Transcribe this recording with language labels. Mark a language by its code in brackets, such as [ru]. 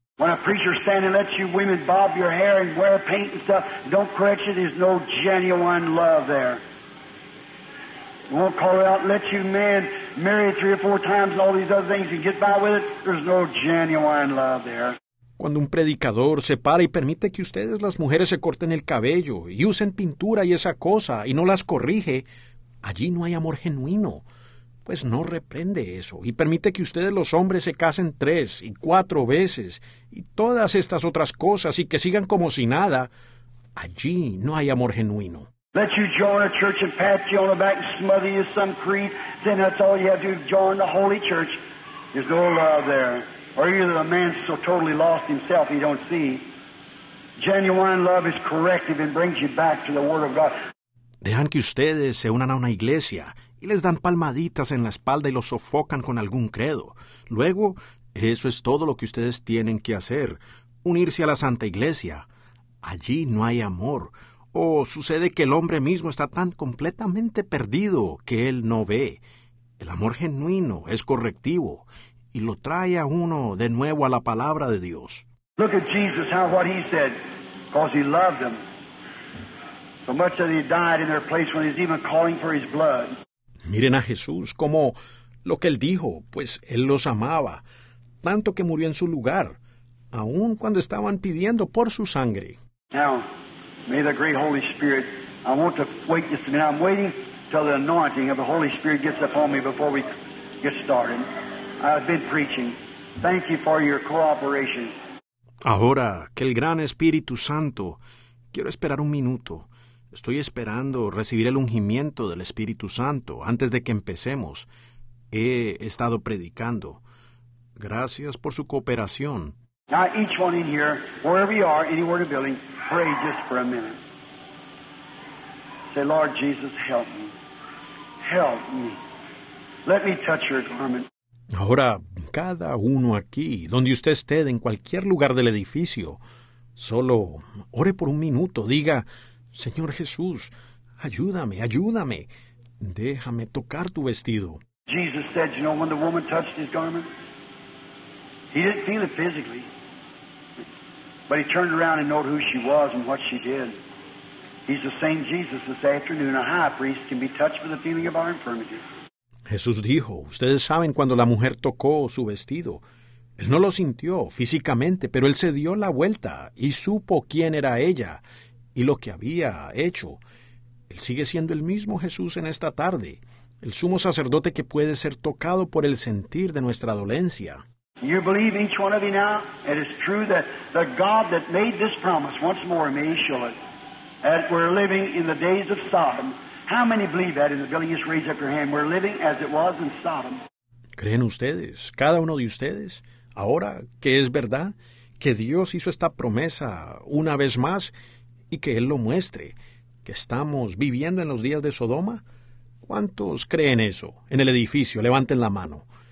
[en] When a preacher stands and lets you women bob your hair and wear paint and stuff, don't correct it. There's no genuine love there. Won't call it out and let you men marry three or four times and all these other things and get by with it. There's no genuine love there. [es] Cuando un predicador se para y permite que ustedes, las mujeres, se corten el cabello y usen pintura y esa cosa y no las corrige, allí no hay amor genuino, pues no reprende eso y permite que ustedes, los hombres, se casen 3 y 4 veces y todas estas otras cosas y que sigan como si nada, allí no hay amor genuino. [en] Let you join a church and pat you on the back and smother you some creed, then that's all you have to do, join the holy church. There's no love there. Or either the man's so totally lost himself he don't see. Genuine love is corrective and brings you back to the Word of God. [es] Dejan que ustedes se unan a una iglesia y les dan palmaditas en la espalda y los sofocan con algún credo. Luego, eso es todo lo que ustedes tienen que hacer, unirse a la Santa Iglesia. Allí no hay amor. O sucede que el hombre mismo está tan completamente perdido que él no ve. El amor genuino es correctivo y lo trae a uno de nuevo a la palabra de Dios. [en] Look at Jesus, how what he said, because he loved them so much that he died in their place when he's even calling for his blood. [es] Miren a Jesús, como lo que él dijo, pues él los amaba, tanto que murió en su lugar, aun cuando estaban pidiendo por su sangre. [en] Now, may the great Holy Spirit, I want to wait just a minute. I'm waiting till the anointing of the Holy Spirit gets upon me before we get started. I've been preaching. Thank you for your cooperation. [es] Ahora, que el gran Espíritu Santo, quiero esperar un minuto. Estoy esperando recibir el ungimiento del Espíritu Santo antes de que empecemos. He estado predicando. Gracias por su cooperación. [en] Now, each one in here, wherever you are, anywhere in the building, pray just for a minute. Say, Lord Jesus, help me. Help me. Let me touch your garment. [es] Ahora, cada uno aquí, donde usted esté, en cualquier lugar del edificio, solo ore por un minuto. Diga, Señor Jesús, ayúdame, ayúdame. Déjame tocar tu vestido. [en] Jesus said, you know, when the woman touched his garment, he didn't feel it physically. But he turned around and noted who she was and what she did. He's the same Jesus this afternoon. A high priest can be touched with the feeling of our infirmity. [es] Jesús dijo, ustedes saben cuando la mujer tocó su vestido. Él no lo sintió físicamente, pero él se dio la vuelta y supo quién era ella y lo que había hecho. Él sigue siendo el mismo Jesús en esta tarde, el sumo sacerdote que puede ser tocado por el sentir de nuestra dolencia. [en] You believe each one of you now, it is true that the God that made this promise once more, may he show it, that we're living in the days of Sodom. How many believe that in the building? Just raise up your hand. We're living as it was in Sodom. [es] ¿Creen ustedes, cada uno de ustedes, ahora que es verdad, que Dios hizo esta promesa una vez más y que Él lo muestre, que estamos viviendo en los días de Sodoma? ¿Cuántos creen eso en el edificio? Levanten la mano.